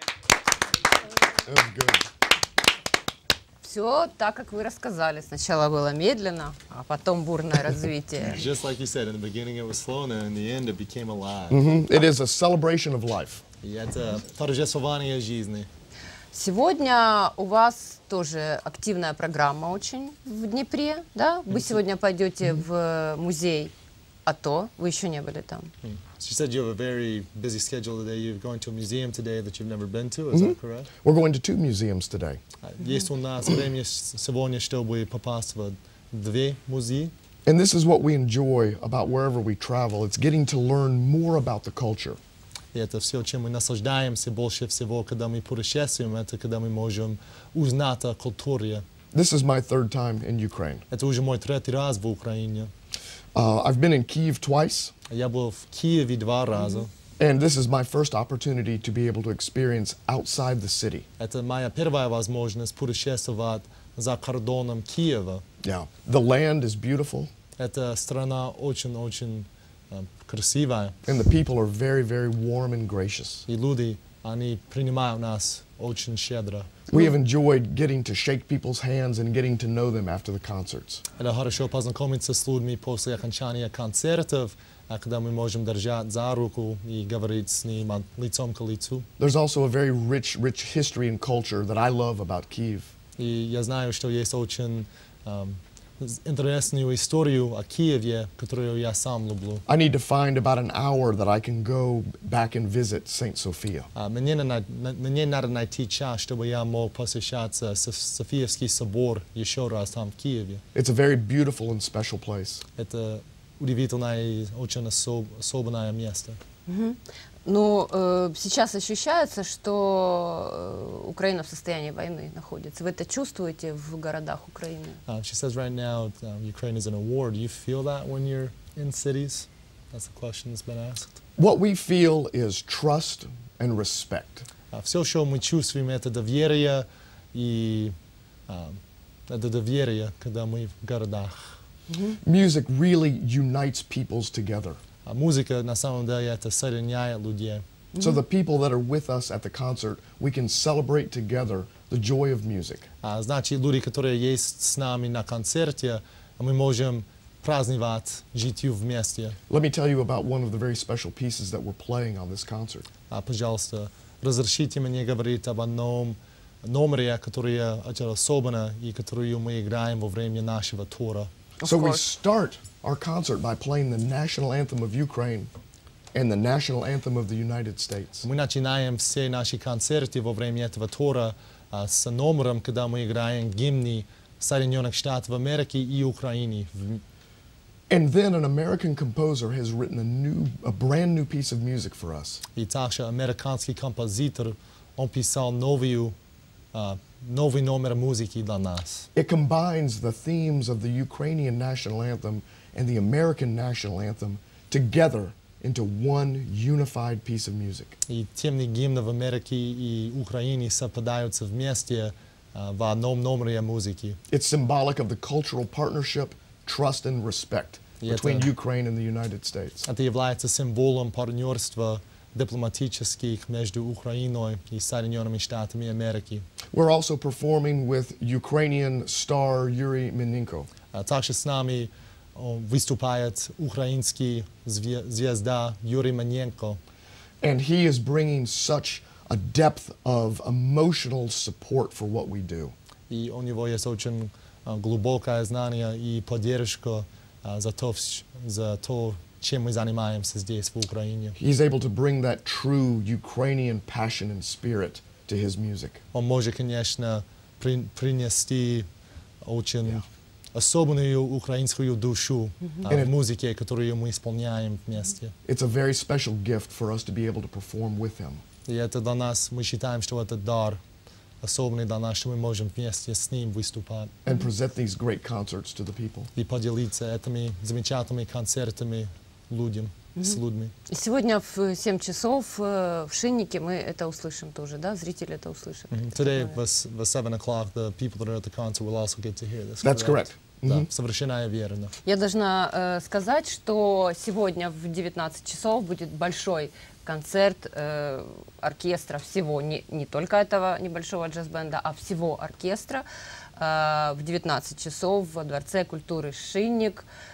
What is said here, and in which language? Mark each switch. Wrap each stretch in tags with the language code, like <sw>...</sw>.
<en>That was good.</en> <ru>Все так, как вы рассказали. Сначала было медленно, а потом бурное развитие.</ru> <en>Just like you said, in the beginning it was slow, and in the end it became alive. Mm-hmm. It is a celebration of life.</en> <ru>Это торжествование жизни. Сегодня у вас тоже активная программа очень в Днепре, да? Вы сегодня пойдете в музей АТО, вы еще не были там.</ru> <en>She said you have a very busy schedule today. You're going to a museum today that you've never been to, is that correct? We're going to two museums today.</en> <ru>Есть у нас время сегодня, чтобы попасть в две музеи.</ru> <en>And this is what we enjoy about wherever we travel. It's getting to learn more about the culture.</en> <ru>Это все, чем мы наслаждаемся больше всего, когда мы путешествуем, это когда мы можем узнать о культуре.</ru> <en>This is my third time in Ukraine.</en> <ru>Это уже мой третий раз в Украине.</ru> <en>I've been in Kyiv twice.</en> <ru>Я был в Киеве два раза.</ru> <en>And this is my first opportunity to be able to experience outside the city.</en> <ru>Это моя первая возможность путешествовать за кордоном Киева.</ru> <en>Yeah. The land is beautiful.</en> <ru>Эта страна очень-очень красивая.</ru> <en>And the people are very, very warm and gracious.</en> <ru>И люди, они принимают нас очень щедро.</ru> <en>We have enjoyed getting to shake people's hands and getting to know them after the concerts.</en> <ru>Это хорошо познакомиться с людьми после окончания концертов, когда мы можем держать за руку и говорить с ним лицом к лицу.</ru> <en>There's also a very rich, rich history and culture that I love about Kyiv.</en> <ru>И я знаю, что есть очень интересную историю о Киеве, которую я сам люблю.</ru> <en>I need to find about an hour that I can go back and visit Saint Sophia.</en> <ru>Мне надо найти час, чтобы я мог посещать Софиевский собор еще раз там в Киеве.</ru> <en>It's a very beautiful and special place.</en> <ru>Это удивительное и очень особенное место. Ну, сейчас ощущается, что Украина в состоянии войны находится. Вы это чувствуете в городах Украины?</ru> <en>She says right now Ukraine is in a war. Do you feel that when you're in cities? That's the question that's been asked. What we feel is trust and respect.</en> <ru>Все, что мы чувствуем, это доверие и это доверие, когда мы в городах.</ru> <en>Music really unites peoples together.</en> <ru>Музыка на самом деле это соединяет людей.</ru> <en>So the people that are with us at the concert, we can celebrate together the joy of music.</en> <ru>Значит, люди, которые есть с нами на концерте, мы можем праздновать житью вместе.</ru> <en>Let me tell you about one of the very special pieces that we're playing on this concert.</en> <ru>Пожалуйста, разрешите мне говорить об одном номере, который очень особенный и который мы играем во время нашего тура.</ru> <en>So we start our concert by playing the national anthem of Ukraine and the national anthem of the United States.</en> <ru>Мы начинаем все наши концерты во время этого тура с номером, когда мы играем гимны Соединенных Штатов Америки и Украины.</ru> <en>And then an American composer has written a brand new piece of music for us.</en> <ru>И также американский композитор, он писал новую новый номер музыки для нас.</ru> <en>It combines the themes of the Ukrainian national anthem and the American national anthem together into one unified piece of music.</en> <ru>И темы гимнов Америки и Украины совпадаются вместе в одном номере музыки.</ru> <en>It's symbolic of the cultural partnership, trust and respect between Ukraine and the United States.</en> <ru>Это является символом партнерства дипломатических между Украиной и Соединенными Штатами Америки.</ru> <en>We're also performing with Ukrainian star Yuri Menenko.</en> <ru>Также с нами выступает украинский звезда Юрий Маненко.</ru> <en>And he is bringing such a depth of emotional support for what we do.</en> <ru>И у него есть очень глубокое знание и поддержка за то, чем мы занимаемся здесь, в Украине.</ru> <en>He's able to bring that true Ukrainian passion and spirit to his music.</en> <ru>Он может, конечно, принести очень особенную украинскую душу в музыке, которую мы исполняем вместе.</ru> <en>It's a very special gift for us to be able to perform with him.</en> <ru>И это для нас, мы считаем, что это дар особенный для нас, что мы можем вместе с ним выступать.</ru> <en>And present these great concerts to the people.</en> <ru>И поделиться этими замечательными концертами людям, с людьми. Сегодня в 7 часов в Шиннике мы это услышим тоже, да? Зрители это услышат.</ru> <en>Today at 7 o'clock the people that are at the concert will also get to hear this. That's correct.</en> <ru>Да, совершенно верно. Я должна сказать, что сегодня в 19 часов будет большой концерт оркестра всего, не только этого небольшого джаз-бенда, а всего оркестра в 19 часов во Дворце культуры «Шинник».</ru>